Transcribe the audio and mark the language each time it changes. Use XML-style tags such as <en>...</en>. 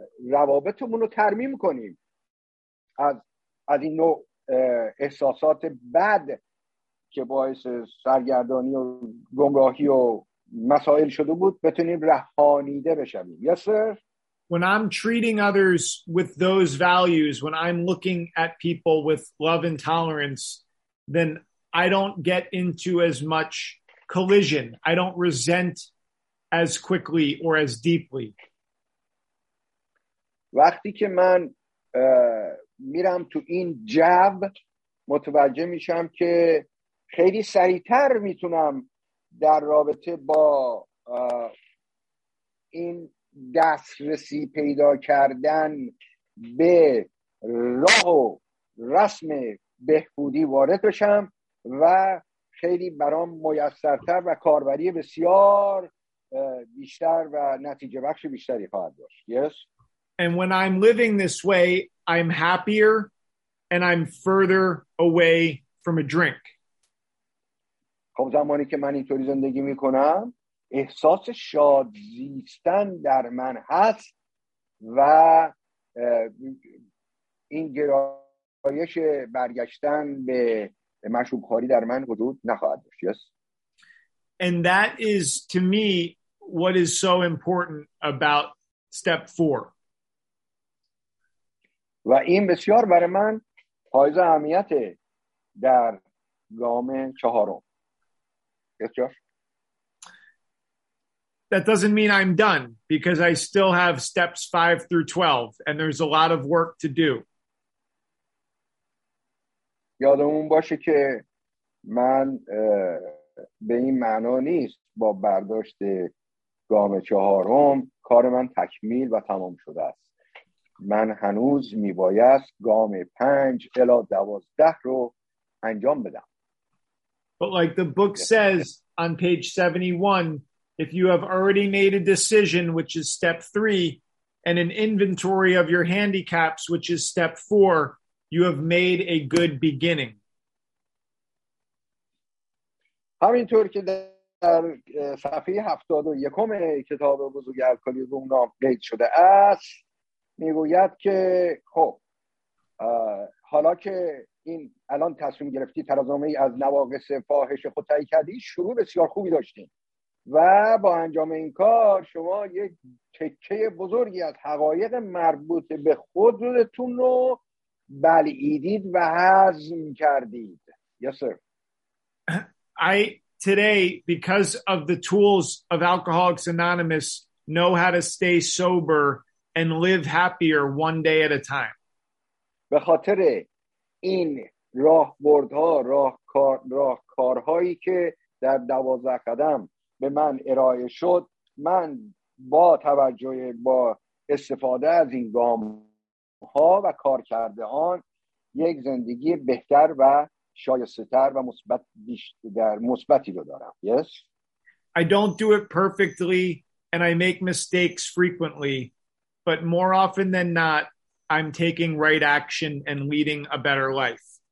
<fa>روابطمون رو ترمیم کنیم از این نوع احساسات بد که باعث سرگردانی و گمراهی و مسائل شده بود، بتونیم رهانیده بشویم.</fa> <en>Yes, sir. When I'm treating others with those values, when I'm looking at people with love and tolerance, then I don't get into as much collision. I don't resent as quickly or as deeply.</en> <fa>وقتی که من میرم تو این جاب، متوجه میشم که خیلی سریعتر میتونم در رابطه با این دسترسی پیدا کردن به راه و رسم بهبودی وارد بشم و خیلی برام میسرتر و کاربری بسیار بیشتر و نتیجه بخش بیشتری خواهد داشت.</fa> <en>Yes. And when I'm living this way, I'm happier and I'm further away from a drink.</en> <fa>خب زمانی که من اینطوری زندگی میکنم احساس شاد زیستن در من هست و این گرایش برگشتن به مشروب خوری در من وجود نخواهد داشت.</fa> <en>Yes. And that is to me what is so important about step 4.</en> <fa>و این بسیار برای من حائز اهمیت در گام 4.</fa> <en>That doesn't mean I'm done because I still have steps 5 through 12 and there's a lot of work to do.</en> <fa>یادمون باشه که من به این معنا نیست با برداشت گام 4 کار من تکمیل و تمام شده است. من هنوز میبایست گام 5 الی 12 رو انجام بدم.</fa> <en>But like the book says on page 71, if you have already made a decision, which is step 3, and an inventory of your handicaps, which is step 4, you have made a good beginning.</en> <fa>همینطور که در صفحه 71 کتاب بزرگ الکلیزم نام قید شده است، میگوید که خب حالا که این الان تصمیم گرفتی ترازنامه‌ای از نواقص فاحش خود تعیین کردی، شروع بسیار خوبی داشتیم و با انجام این کار شما یک تکه بزرگی از حقایق مربوط به خودتون رو بلعیدید و هضم کردید.</fa> <en>Yes, sir. I today, because of the tools of Alcoholics Anonymous, know how to stay sober and live happier one day at a time.</en> <fa>به خاطر این راهبردها، راهکارهایی که در 12 قدم به من ارائه شد، من با توجه با استفاده از این گام ها و کار کرده آن یک زندگی بهتر و شایسته‌تر و مثبت در مثبتی رو دارم.</fa> <en>Yes. I don't do it perfectly and I make mistakes frequently, but more often than not I'm taking right action and leading a better life.</en>